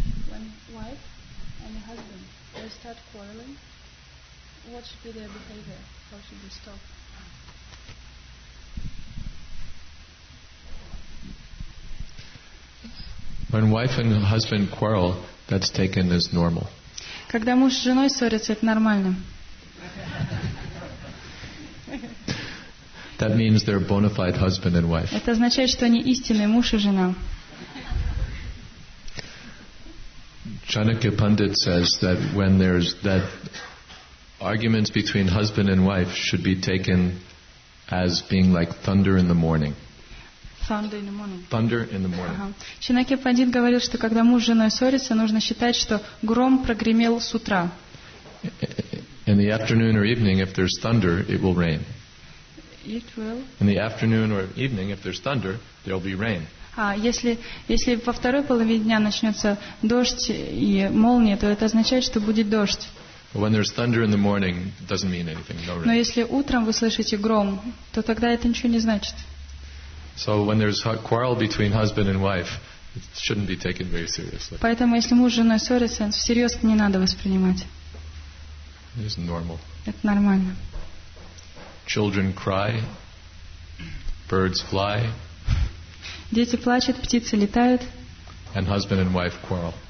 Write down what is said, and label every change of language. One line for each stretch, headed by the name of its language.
English: When wife and husband, they start quarreling, what should be their behavior? How should they stop? When wife and husband quarrel, that's taken as normal.
Russian: Когда муж с женой ссорится, это нормально.
English: That means they're bona fide husband and wife.
Russian: Это означает, что они истинный муж и жена.
English: Chanakya Pandit says that when there's that arguments between husband and wife should be taken as being like thunder in the morning. Thunder in the morning.
Russian: Chanakya Pandit говорил, что когда муж с женой ссорится, нужно считать, что гром прогремел с утра.
English: In the afternoon or evening, if there's thunder, it will rain. it will. In the afternoon or evening, if there's thunder, there'll be rain.
Russian: А если во второй половине дня начнется дождь и молния, то это означает, что будет дождь.
English: When there's thunder in the morning, it doesn't mean anything. No rain.
Russian: Но если утром вы слышите гром, то тогда это ничего не значит.
English: So when there's a quarrel between husband and wife, it shouldn't be taken very seriously.
Russian: Поэтому если муж с женой ссорится, всерьез не надо воспринимать.
English: It is normal.
Russian: Это нормально.
English: Children cry. Birds fly.
Russian: Дети плачут, птицы летают.
English: And husband and wife quarrel.